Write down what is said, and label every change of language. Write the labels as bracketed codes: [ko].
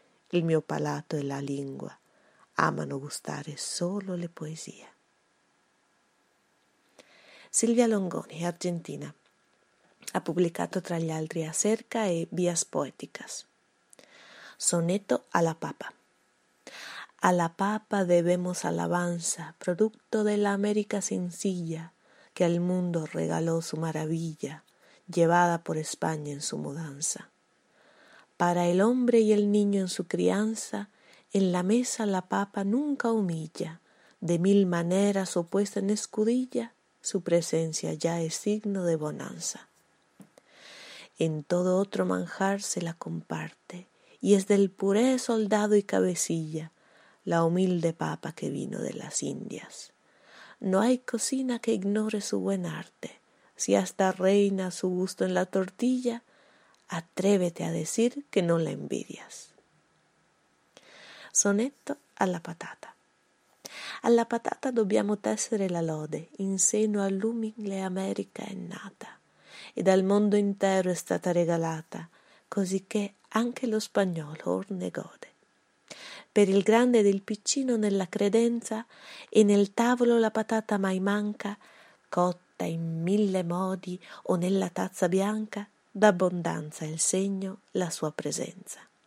[it] Il mio palato e la lingua amano gustare solo le poesie. Silvia Longoni, argentina, ha pubblicato tra gli altri Acerca e Vías Poéticas. Soneto alla papa. [es] Alla papa debemos alabanza, producto de la América sencilla, que al mundo regaló su maravilla, llevada por España en su mudanza. Para el hombre y el niño en su crianza, en la mesa la papa nunca humilla, de mil maneras o puesta en escudilla, su presencia ya es signo de bonanza. En todo otro manjar se la comparte, y es del puré soldado y cabecilla, la humilde papa que vino de las Indias. No hay cocina que ignore su buen arte, si hasta reina su gusto en la tortilla, atrévete a decir que no la envidias. [it] Sonetto alla patata. Alla patata dobbiamo tessere la lode, in seno all'umile America è nata, e dal mondo intero è stata regalata, cosicché anche lo spagnolo or ne gode. Per il grande ed il piccino nella credenza, e nel tavolo la patata mai manca, cotta in mille modi o nella tazza bianca, d'abbondanza è il segno la sua presenza.